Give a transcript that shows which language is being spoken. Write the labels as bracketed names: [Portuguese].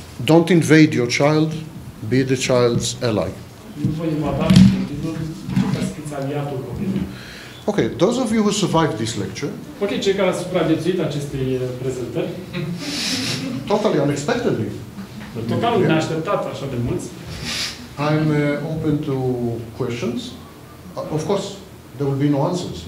[English] Don't invade your child. Be the child's ally. [Romanian] Nu vă invadați copilul, ca să fiți aliatul copilului. [English] Okay, those of you who survived this lecture. [Romanian] Okay, cei care au supraviețuit acestei prezentări. [English] Totally unexpectedly. [Romanian] Total neașteptat, așa de mulți. [English] I'm open to questions. Of course, there will be no answers.